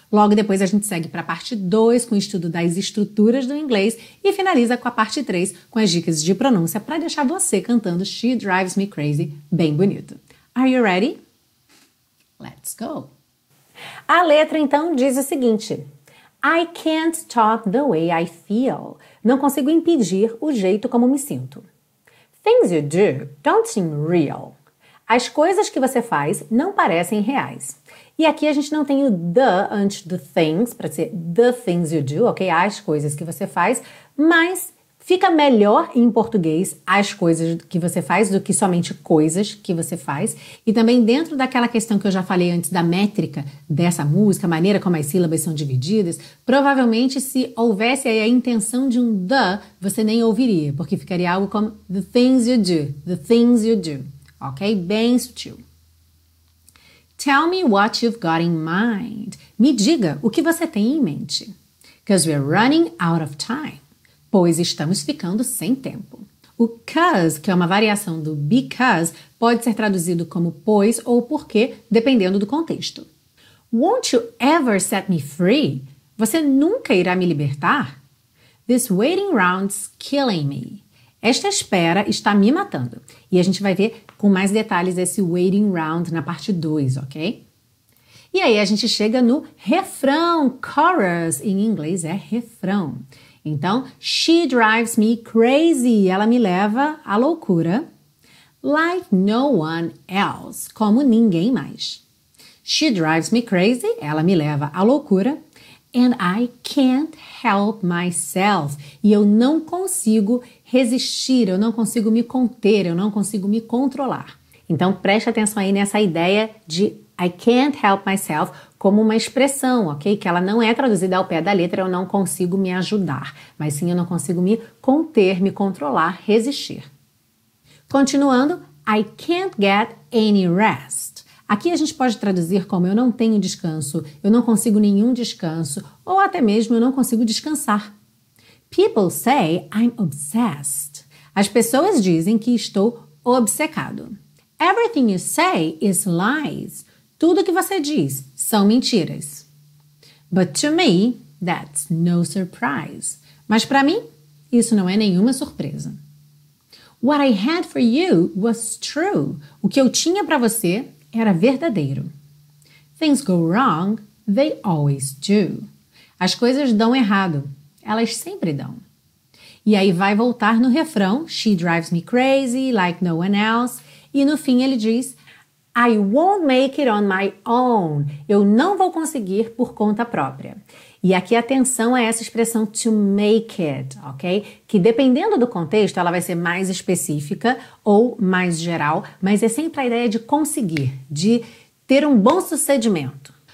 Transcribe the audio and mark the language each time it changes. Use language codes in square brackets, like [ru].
[pt] Logo depois a gente segue para a parte 2, com o estudo das estruturas do inglês, e finaliza com a parte 3, com as dicas de pronúncia, para deixar você cantando [en] She Drives Me Crazy [pt] bem bonito. [en] Are you ready? Let's go! [pt] A letra, então, diz o seguinte: [en] I can't stop the way I feel. [pt] Não consigo impedir o jeito como me sinto. [en] Things you do don't seem real. [pt] As coisas que você faz não parecem reais. E aqui a gente não tem o the antes do things, para ser the things you do, ok? As coisas que você faz, mas fica melhor em português as coisas que você faz do que somente coisas que você faz. E também dentro daquela questão que eu já falei antes da métrica dessa música, a maneira como as sílabas são divididas, provavelmente se houvesse aí a intenção de um the, você nem ouviria, porque ficaria algo como [en] the things you do, the things you do. [pt] Ok? Bem sutil. [en] Tell me what you've got in mind. [pt] Me diga o que você tem em mente. [en] Because we're running out of time. [pt] Pois estamos ficando sem tempo. O 'cause, que é uma variação do because, pode ser traduzido como pois ou porque, dependendo do contexto. [en] Won't you ever set me free? [pt] Você nunca irá me libertar? [en] This waiting round's killing me. [pt] Esta espera está me matando. E a gente vai ver com mais detalhes esse waiting round na parte 2, ok? E aí a gente chega no refrão, chorus, em inglês é refrão. Então, [en] she drives me crazy, [pt] ela me leva à loucura. [en] Like no one else, [pt] como ninguém mais. [en] She drives me crazy, [pt] ela me leva à loucura. [en] And I can't help myself. [pt] E eu não consigo resistir, eu não consigo me conter, eu não consigo me controlar. Então, preste atenção aí nessa ideia de [en] I can't help myself [pt] como uma expressão, ok? Que ela não é traduzida ao pé da letra, eu não consigo me ajudar. Mas sim, eu não consigo me conter, me controlar, resistir. Continuando, [en] I can't get any rest. [pt] Aqui a gente pode traduzir como eu não tenho descanso, eu não consigo nenhum descanso, ou até mesmo eu não consigo descansar. [en] People say I'm obsessed. [pt] As pessoas dizem que estou obcecado. [en] Everything you say is lies. [pt] Tudo que você diz são mentiras. [en] But to me, that's no surprise. [pt] Mas para mim, isso não é nenhuma surpresa. [en] What I had for you was true. [pt] O que eu tinha para você era verdadeiro. [en] Things go wrong, they always do. [pt] As coisas dão errado, elas sempre dão. E aí vai voltar no refrão, [en] she drives me crazy like no one else. [pt] E no fim ele diz, [en] I won't make it on my own. [pt] Eu não vou conseguir por conta própria. E aqui atenção a essa expressão [en] to make it, [pt] ok? Que dependendo do contexto, ela vai ser mais específica ou mais geral, mas é sempre a ideia de conseguir, de ter um bom sucedimento.